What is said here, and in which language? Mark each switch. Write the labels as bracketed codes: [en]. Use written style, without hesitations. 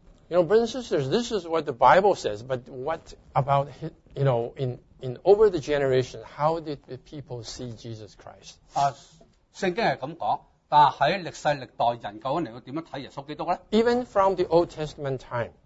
[en] You know, brothers and sisters, this is what the Bible says, but what about, you know, in over the generation, how did the people see Jesus Christ? [zh] 啊，圣经是这么讲，但是在历世历代人究竟怎么看耶稣基督呢？ [en] Even from the Old Testament time,